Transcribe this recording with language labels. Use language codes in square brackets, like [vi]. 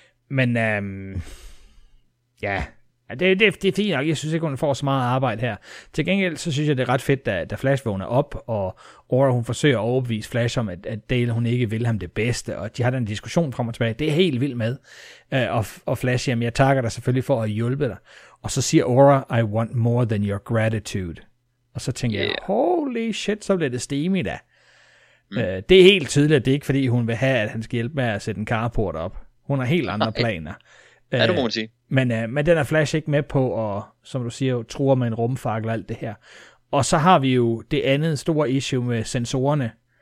[da] Men ja, det er fint nok. Jeg synes ikke, hun får så meget arbejde her. Til gengæld, så synes jeg, det er ret fedt, da Flash vågner op, og Aura, hun forsøger at overbevise Flash om, at Dale, hun ikke vil ham det bedste, og de har den diskussion frem og tilbage. Det er helt vildt med. Og Flash siger, jeg takker dig selvfølgelig for at hjælpe dig. Og så siger [en] Aura, I want more than your gratitude. [da] Og så tænker jeg, [en] holy shit, [da] så bliver det steamy da. Det er helt tydeligt, at det ikke fordi, hun vil have, at han skal hjælpe med at sætte en carport op. Hun har helt andre planer. Ja, det må man sige. Men den er Flash ikke med på, og som du siger, truer med en rumfakkel og alt det her. Og så har vi jo det andet store issue med sensorerne.